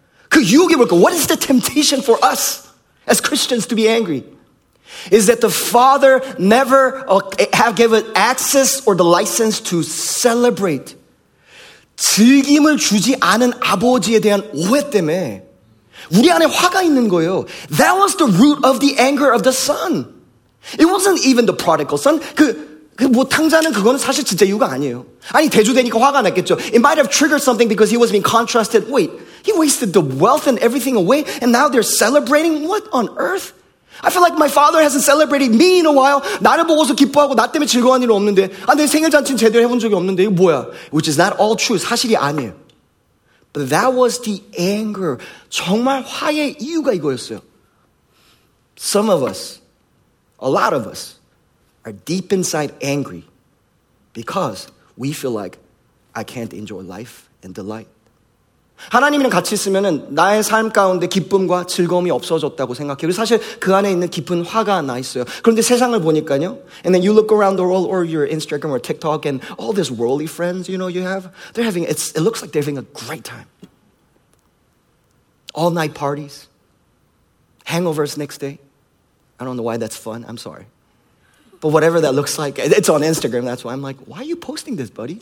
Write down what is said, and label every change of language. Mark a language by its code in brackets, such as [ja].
[ko] 그 유혹이 뭘까요? [en] What is the temptation for us as Christians to be angry? Is that the father never have given access or the license to celebrate? [ko] 즐김을 주지 않은 아버지에 대한 오해 때문에 우리 안에 화가 있는 거예요. [en] That was the root of the anger of the son. It wasn't even the prodigal son. [ko] 탕자는 그건 사실 진짜 이유가 아니에요. 아니, 대주 되니까 화가 났겠죠. [en] It might have triggered something because he was being contrasted. Wait, he wasted the wealth and everything away and now they're celebrating? What on earth? I feel like my father hasn't celebrated me in a while. [ko] 나를 보고서 기뻐하고 나 때문에 즐거워한 일은 없는데 아, 내 생일잔치는 제대로 해본 적이 없는데 이거 뭐야? [en] Which is not all true. [ko] 사실이 아니에요. [en] But that was the anger. [ko] 정말 화의 이유가 이거였어요. [en] Some of us, a lot of us, are deep inside angry because we feel like I can't enjoy life and delight. [ko] 하나님이랑 같이 있으면은 나의 삶 가운데 기쁨과 즐거움이 없어졌다고 생각해요. 그리고 사실 그 안에 있는 깊은 화가 나 있어요. 그런데 세상을 보니까요. [en] And then you look around the world or your Instagram or TikTok and all these worldly friends, you know, you have, they're having, it looks like they're having a great time. All night parties, hangovers next day. I don't know why that's fun. I'm sorry. But whatever that looks like, it's on Instagram. That's why I'm like, why are you posting this, buddy?